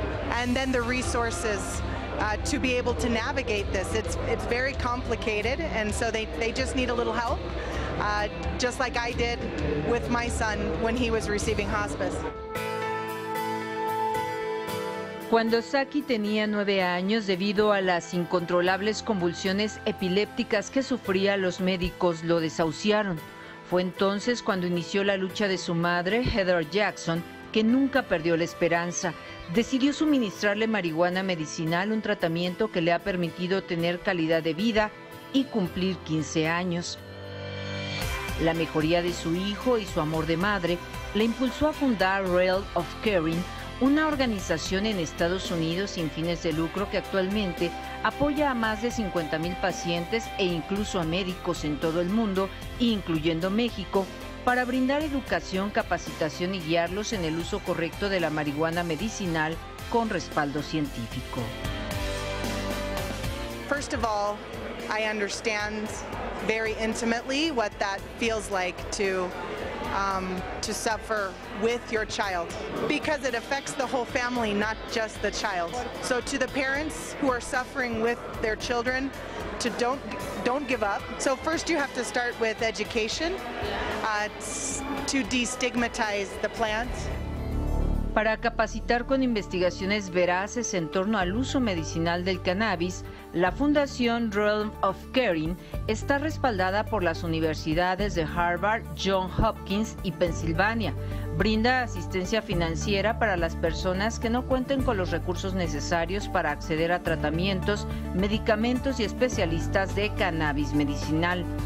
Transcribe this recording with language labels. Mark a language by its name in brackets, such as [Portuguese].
[English] And then the resources to be able to navigate this. It's very complicated, and so they just need a little help, just like I did with my son when he was receiving hospice. [Spanish] Cuando Saki tenía 9 años, debido a las incontrolables convulsiones epilépticas que sufría, los médicos lo desahuciaron. Fue entonces cuando inició la lucha de su madre, Heather Jackson, que nunca perdió la esperanza. Decidió suministrarle marihuana medicinal, un tratamiento que le ha permitido tener calidad de vida y cumplir 15 años. La mejoría de su hijo y su amor de madre le impulsó a fundar Realm of Caring, una organización en Estados Unidos sin fines de lucro que actualmente apoya a más de 50.000 pacientes e incluso a médicos en todo el mundo, incluyendo México, para brindar educación, capacitación y guiarlos en el uso correcto de la marihuana medicinal con respaldo científico. [English] First of all, I understand very intimately what that feels like to suffer with your child, because it affects the whole family, not just the child. So to the parents who are suffering with their children, to don't give up. So first you have to start with education to destigmatize the plant. [Spanish] Para capacitar con investigaciones veraces en torno al uso medicinal del cannabis, la Fundación Realm of Caring está respaldada por las universidades de Harvard, Johns Hopkins y Pensilvania. Brinda asistencia financiera para las personas que no cuenten con los recursos necesarios para acceder a tratamientos, medicamentos y especialistas de cannabis medicinal.